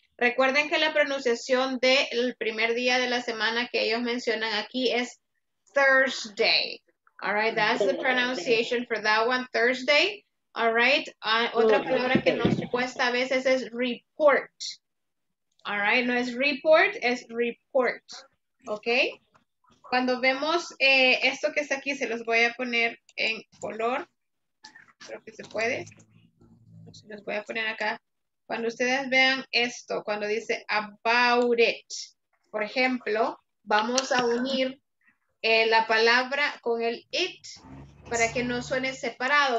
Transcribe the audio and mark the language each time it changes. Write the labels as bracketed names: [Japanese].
[Spanish] Recuerden que la pronunciación del primer día de la semana que ellos mencionan aquí es Thursday. [English] All right, that's the pronunciation for that one, Thursday. All right, [Spanish] otra palabra que nos cuesta a veces es report. [English] All right, [Spanish] no es report, es report. Okay, cuando vemos esto que está aquí, se los voy a poner en color. Creo que se puede. Se los voy a poner acá. Cuando ustedes vean esto, cuando dice [English] about it, [Spanish] por ejemplo, vamos a unir la palabra con el it para que no suene separado.